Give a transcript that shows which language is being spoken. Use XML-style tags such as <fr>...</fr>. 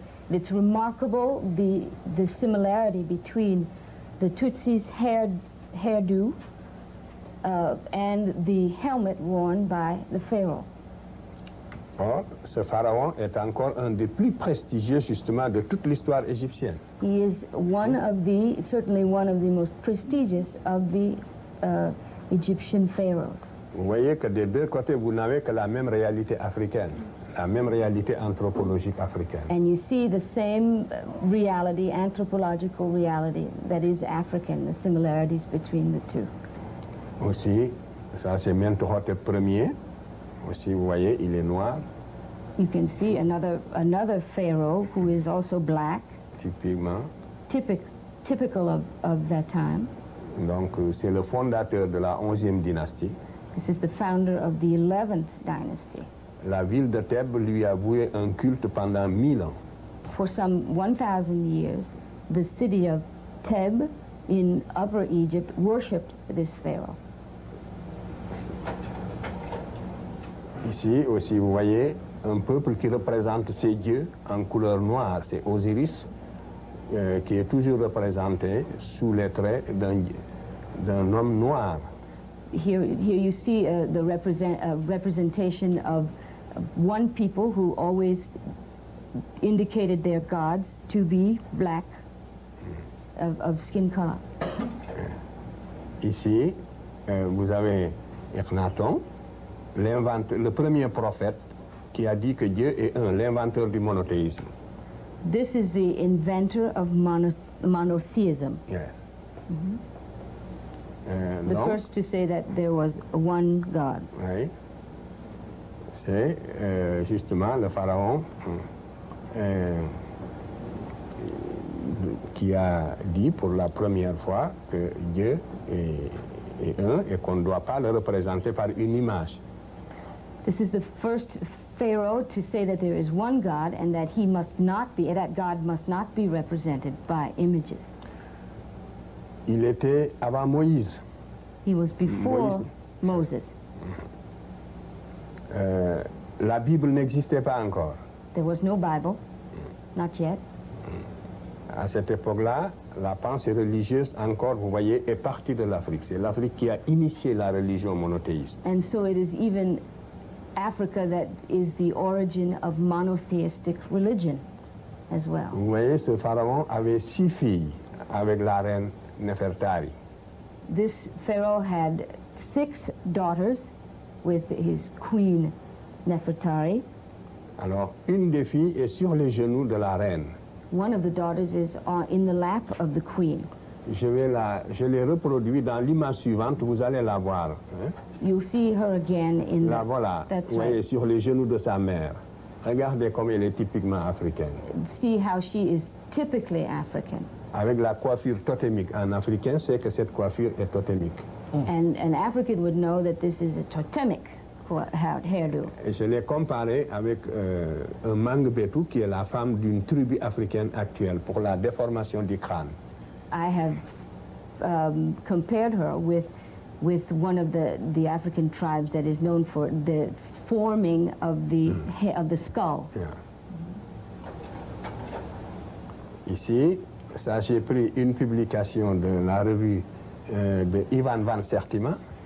<en>It's remarkable the similarity between the Tutsi's hairdo and the helmet worn by the pharaoh.</en> <fr>Or, ce pharaon est encore un des plus prestigieux, justement, de toute l'histoire égyptienne.</fr> <en>He is one of the, certainly one of the most prestigious of the Egyptian pharaohs.</en> <fr>Vous voyez que des deux côtés, vous n'avez que la même réalité africaine, la même réalité anthropologique africaine.</fr> <en>And you see the same reality, anthropological reality, that is African, the similarities between the two.</en> <fr>Aussi, ça c'est Mentuhotep premier. Aussi, vous voyez, il est noir.</fr> <en>You can see another pharaoh who is also black.</en> <fr>Typiquement.</fr> <en>Typical of that time.</en> <fr>Donc, c'est le fondateur de la 11e dynastie.</fr> <en>This is the founder of the 11th dynasty.</en> <fr>La ville de Thèbes lui a voué un culte pendant 1000 ans.</fr> <en>For some 1,000 years, the city of Thèbes in Upper Egypt worshipped this pharaoh.</en> <fr>Ici aussi, vous voyez un peuple qui représente ces dieux en couleur noire. C'est Osiris qui est toujours représenté sous les traits d'un homme noir.</fr> <en>Here you see representation of one people who always indicated their gods to be black, of skin color.</en> <fr>Ici, vous avez Akhenaton, le premier prophète qui a dit que Dieu est un, l'inventeur du monothéisme.</fr> <en>This is the inventor of monotheism. Yes. Mm-hmm. The first to say that there was one God. Oui.</en> <fr>C'est justement le pharaon qui a dit pour la première fois que Dieu est un et qu'on ne doit pas le représenter par une image.</fr> <en>This is the first pharaoh to say that there is one God and that he must not be, that God must not be represented by images.</en> <fr>Il était avant Moïse.</fr> <en>He was before Moïse. Moses.</en> <fr>La Bible n'existait pas encore.</fr> <en>There was no Bible, not yet.</en> <fr>À cette époque-là, la pensée religieuse encore, vous voyez, est partie de l'Afrique. C'est l'Afrique qui a initié la religion monothéiste.</fr> <en>And so it is even Africa that is the origin of monotheistic religion as well.</en> <fr>Vous voyez, ce pharaon avait 6 filles avec la reine Nefertari.</fr> <en>This pharaoh had 6 daughters with his queen Nefertari.</en> <fr>Alors, une des filles est sur les genoux de la reine.</fr> <en>One of the daughters is in the lap of the queen.</en> <fr>Je l'ai reproduit dans l'image suivante, vous allez la voir.</fr> <en>You see her again in</en> <fr>la voilà,</fr> <en>that's</en> <fr>vous</fr> <en>right.</en> <fr>Voyez, sur les genoux de sa mère. Regardez comme elle est typiquement africaine.</fr> <en>See how she is typically African.</en> <fr>Avec la coiffure totémique. Un Africain sait que cette coiffure est totémique. Mm.</fr> <en>And an African would know that this is a totemic hairdo.</en> <fr>Et je l'ai comparé avec un Mangbetu, qui est la femme d'une tribu africaine actuelle, pour la déformation du crâne.</fr> <en>I have compared her with one of the African tribes that is known for the forming of the of the skull. Yeah.</en> <fr>Ici, ça j'ai pris une publication de la revue de Ivan Van Sertima.</fr>